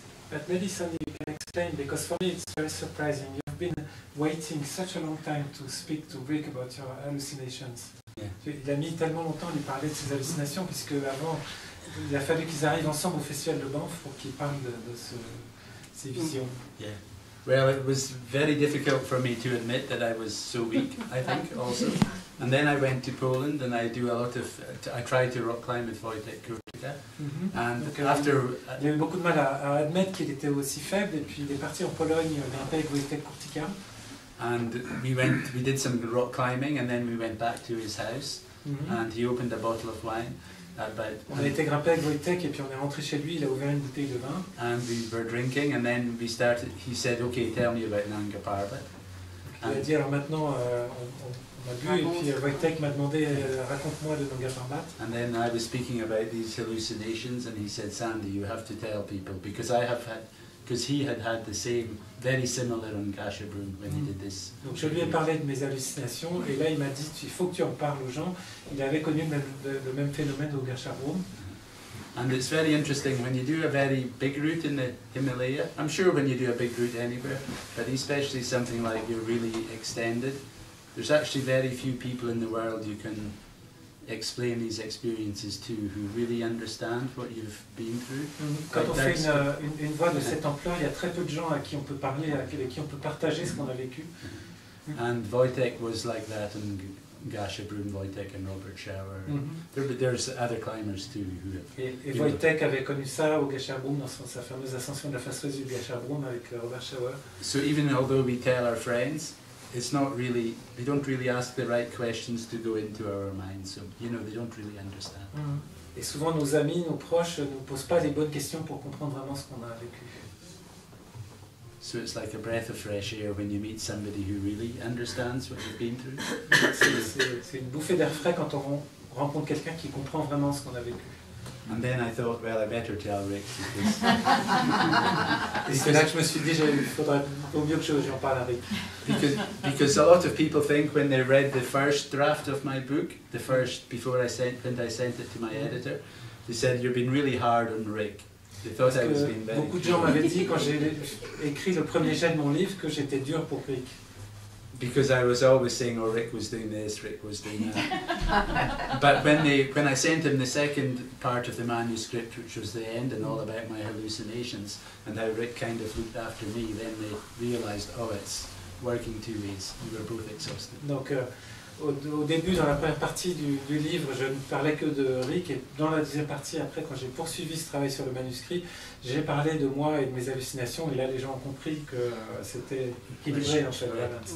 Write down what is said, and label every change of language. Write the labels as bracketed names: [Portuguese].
[English] But maybe Sandy, you can explain, because for me it's very surprising. You've been waiting such a long time to speak to Rick about your hallucinations. [French] Il a mis tellement longtemps à lui parler de ses hallucinations, puisque avant, il a fallu qu'ils arrivent ensemble au festival de Banff pour qu'ils parlent de ces visions. [English] Yeah. Well, it was very difficult for me to admit that I was so weak, I think, also. And then I went to Poland and I do a lot of, I try to rock climb with Wojtek Kurtyka. And after... [French] Il avait beaucoup de mal à admettre qu'il était aussi faible, et puis il est parti en Pologne grimper avec Wojtek Kurtyka. [English] And we did some rock climbing and then we went back to his house and he opened a bottle of wine. [French] On était grimpé avec Wojtek et puis on est rentré chez lui. Il a ouvert une bouteille de vin. [English] And we were drinking and then we started. He said, "Okay, tell me about Nanga Parbat." [French] Il a dit, alors maintenant on a bu et puis Wojtek m'a demandé, raconte-moi de Nanga Parbat. [English] And then I was speaking about these hallucinations and he said, "Sandy, you have to tell people because I have had, because he had had the same, very similar on Kashubrum when he did this." [French] Donc je lui ai parlé de mes hallucinations et là il m'a dit, il faut que tu en parles aux gens. Il avait connu le même phénomène au Kashubrum. [English] And it's very interesting when you do a very big route in the Himalaya. I'm sure when you do a big route anywhere, but especially something like you're really extended, there's actually very few people in the world you can explain these experiences to who really understand what you've been through. [French] Quand on fait une voie de cette ampleur, il y a très peu de gens à qui on peut parler, à qui on peut partager ce qu'on a vécu. [English] And Wojtek was like that, and Kashubrum, Wojtek and Robert Schauer. There's other climbers too who have. [French] Et Wojtek avait connu ça au Kashubrum dans sa fameuse ascension de la face du Kashubrum avec Robert Schauer. [English] So even although we tell our friends, it's not really, we don't really ask the right questions to go into our minds, so, you know, they don't really understand. [French] Et souvent nos amis, nos proches ne posent pas les bonnes questions pour comprendre vraiment ce qu'on a vécu. [English] So it's like a breath of fresh air when you meet somebody who really understands what you've been through. [French] C'est une bouffée d'air frais quand on rencontre quelqu'un qui comprend vraiment ce qu'on a vécu. [English] And then I thought, well, I better tell Rick. Because [French] là, je me suis dit, il faudrait au mieux que j'en parle à Rick. [English] Because a lot of people think when they read the first draft of my book, the first before I sent, when I sent it to my editor, they said you've been really hard on Rick. They thought [French] Parce [English] I was being bad. [French] Beaucoup de gens m'avaient dit quand j'ai écrit le premier jet de mon livre que j'étais dur pour Rick. [English] Because I was always saying, "Oh, Rick was doing this, Rick was doing that." But when I sent him the second part of the manuscript, which was the end and all about my hallucinations and how Rick kind of looked after me, then they realized, "Oh, it's working two ways. We were both exhausted." [French] Donc, au début, dans la première partie du livre, je ne parlais que de Rick. Et dans la deuxième partie, après, quand j'ai poursuivi ce travail sur le manuscrit, j'ai parlé de moi et de mes hallucinations. Et là, les gens ont compris que c'était équilibré, en fait. Voilà.